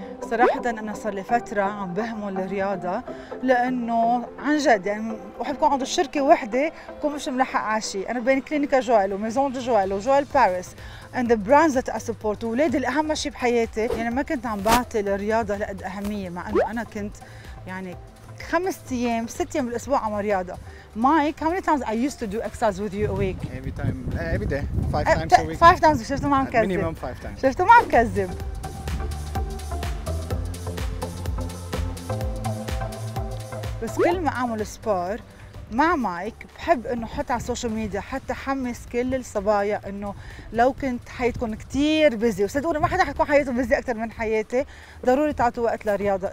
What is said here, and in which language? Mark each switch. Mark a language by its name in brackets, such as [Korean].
[Arabic] صراحة أنا صار لي فترة عم بهمل الرياضة، لأنه عن جد يعني بحب كون عند الشركة وحدة كون مش ملحق عاشي. أنا بين كلينيكا جوال وميزون دو جوال وجوال باريس [English] and the brands that I support [Arabic] وولادي الأهم شيء بحياتي. يعني ما كنت عم بعطي للرياضة لقد أهمية، مع أنه أنا كنت يعني 5 أيام 6 أيام بالأسبوع عم رياضة. [English] Mike, how many times I used to do exercise with you a week؟ Every day, five times a week. [Arabic] شفتوا ما عم كذب؟ [English] Minimum 5 times. [Arabic] شفتوا ما عم كذب؟ بس كل ما اعمل سبور مع مايك بحب انه احط على السوشيال ميديا حتى حمس كل الصبايا، انه لو كنت حياتكم كثير بيزي، وصدقوني ما حدا حتكون حياته بيزي اكثر من حياتي، ضروري تعطوا وقت للرياضه.